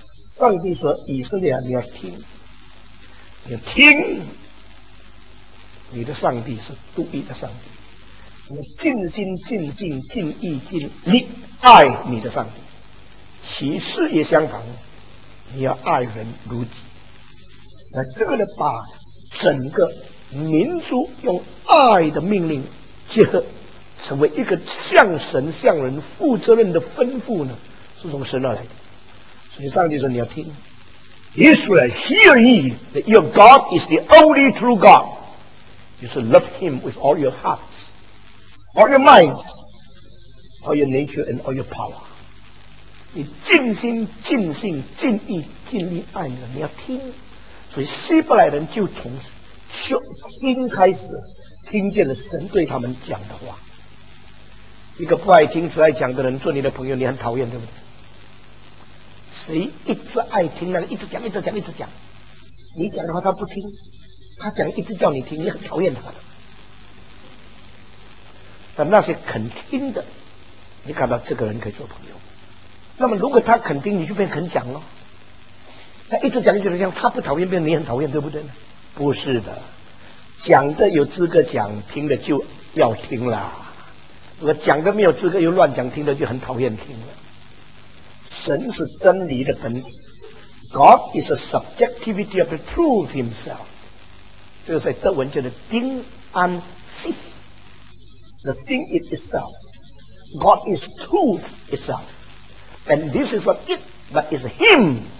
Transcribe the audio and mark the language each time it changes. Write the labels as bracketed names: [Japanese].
[Chinese] 上帝说以色列你要听，你要听，你的上帝是独一的上帝，你尽心尽性尽意尽力爱你的上帝，其实也相反，你要爱人如己。那这个呢，把整个民族用爱的命令结合，成为一个向神向人负责任的吩咐呢，是从神而来的。所以上帝说你要听， [English] Israel hear ye that your God is the only true God, you should love him with all your hearts, all your minds, all your nature and all your power. [Chinese] 你尽心尽性尽意尽力爱你，你要听。所以希伯来人就从听开始听见了神对他们讲的话。一个不爱听只爱讲的人做你的朋友你很讨厌对不对？谁一直爱听那个一直讲一直讲一直讲，你讲的话他不听，他讲一直叫你听，你很讨厌他的。但那些肯听的，你感到这个人可以做朋友。那么如果他肯定，你就变肯讲了。他一直讲一直讲，他不讨厌变你很讨厌对不对呢？不是的，讲的有资格讲，听的就要听了。如果讲的没有资格又乱讲，听的就很讨厌听了。神是真理的本体， [English] God is a subjectivity of the truth himself， [Chinese] 这个在德文叫做 [English] Ding an sich， the thing it itself， God is truth itselfAnd this is not it, but is him.